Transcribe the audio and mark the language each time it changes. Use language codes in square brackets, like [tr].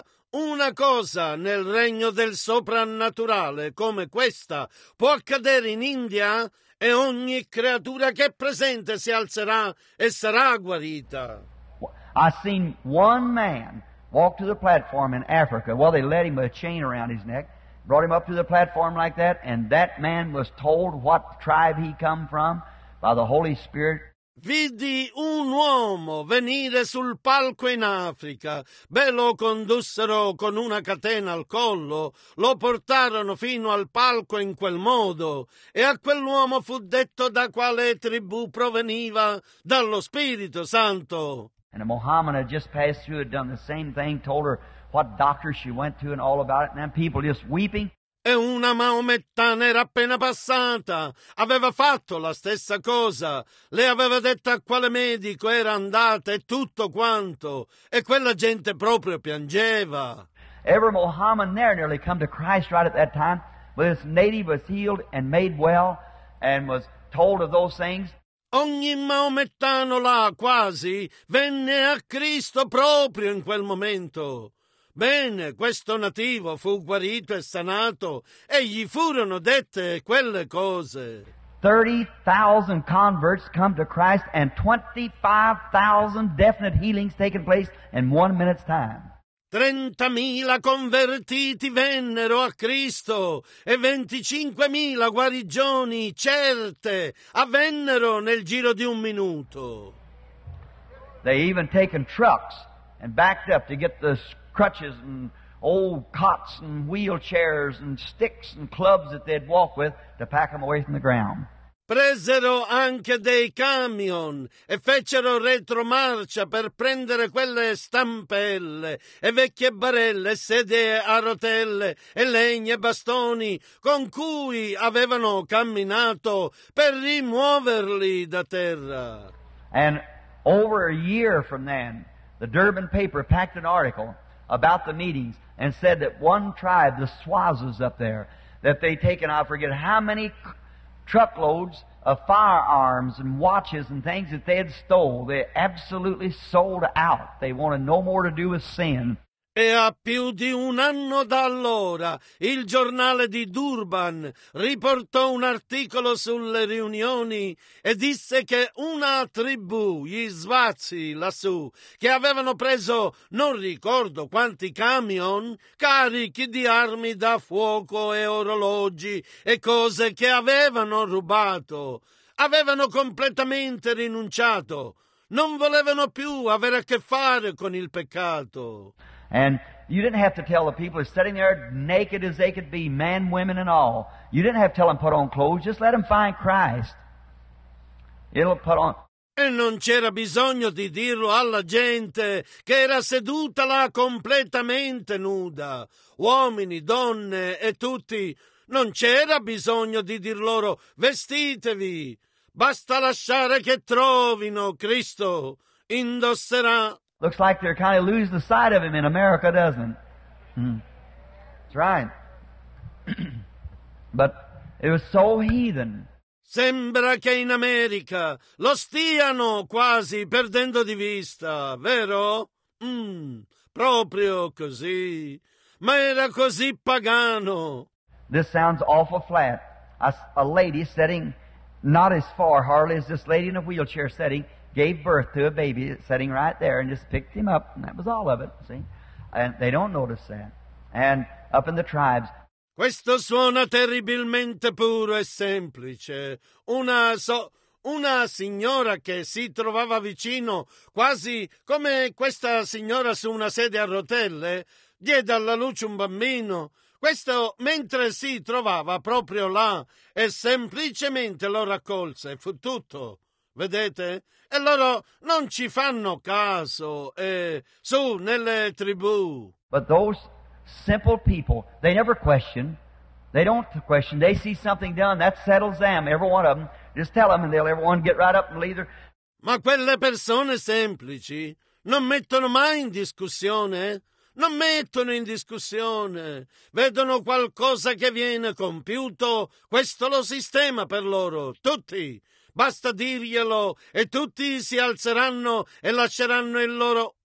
[it] Una cosa nel regno del soprannaturale come questa può accadere in India e ogni creatura che è presente si alzerà e sarà guarita. [en] I seen one man walk to the platform in Africa. Well, they led him with a chain around his neck, brought him up to the platform like that, and that man was told what tribe he come from by the Holy Spirit. [it] Vidi un uomo venire sul palco in Africa. Beh, lo condussero con una catena al collo, lo portarono fino al palco in quel modo, e a quell'uomo fu detto da quale tribù proveniva, dallo Spirito Santo. [en] And a Mohammedan had just passed through, had done the same thing, told her what doctor she went to and all about it, and then people just weeping. [it] E una maomettana era appena passata, aveva fatto la stessa cosa, le aveva detto a quale medico era andata e tutto quanto, e quella gente proprio piangeva. [en] Every Mohammed there nearly come to Christ right at that time, but this native was healed and made well and was told of those things. [it] Ogni maomettano là quasi venne a Cristo proprio in quel momento. Bene, questo nativo fu guarito e sanato, e gli furono dette quelle cose. [en] 30,000 converts come to Christ and 25,000 definite healings taking place in 1 minute's time. [it] 30.000 convertiti vennero a Cristo e 25.000 guarigioni certe avvennero nel giro di un minuto. [en] They even taken trucks and backed up to get the crutches and old cots and wheelchairs and sticks and clubs that they'd walk with to pack them away from the ground. [it] Presero anche dei camion e fecero retromarcia per prendere quelle stampelle e vecchie barelle, sedie a rotelle e legni e bastoni con cui avevano camminato per rimuoverli da terra. [en] And over a year from then, the Durban paper packed an article about the meetings and said that one tribe, the Swazis up there, that they'd taken, I forget how many truckloads of firearms and watches and things that they had stole. They absolutely sold out. They wanted no more to do with sin. [it] E a più di un anno da allora, il giornale di Durban riportò un articolo sulle riunioni e disse che una tribù, gli Swazi lassù, che avevano preso non ricordo quanti camion carichi di armi da fuoco e orologi e cose che avevano rubato, avevano completamente rinunciato, non volevano più avere a che fare con il peccato. [en] And you didn't have to tell the people who are sitting there naked as they could be, men, women, and all. You didn't have to tell them put on clothes. Just let them find Christ. It'll put on. [it] E non c'era bisogno di dirlo alla gente che era seduta là completamente nuda. Uomini, donne e tutti. Non c'era bisogno di dir loro, vestitevi. Basta lasciare che trovino Cristo. Indosserà. [en] Looks like they're kind of losing the sight of him in America, doesn't it? That's right. But it was so heathen. [it] Sembra che in America lo stiano quasi perdendo di vista, vero? Proprio così. Ma era così pagano. [en] This sounds awful flat. A lady sitting not as far, hardly as this lady in a wheelchair sitting, gave birth to a baby sitting right there and just picked him up, and that was all of it, see? And they don't notice that. And up in the tribes. [it] Questo suona terribilmente puro e semplice. Una signora che si trovava vicino, quasi come questa signora su una sedia a rotelle, diede alla luce un bambino. Questo mentre si trovava proprio là e semplicemente lo raccolse, fu tutto. Vedete? E loro non ci fanno caso, su nelle tribù. [en] But those simple people, they never question. They don't question. They see something done, that settles them, every one of them. Just tell them and they'll everyone get right up and leave their... [it] Ma quelle persone semplici non mettono mai in discussione. Non mettono in discussione. Vedono qualcosa che viene compiuto. Questo lo sistema per loro, tutti. Basta dirglielo e tutti si alzeranno e lasceranno il loro.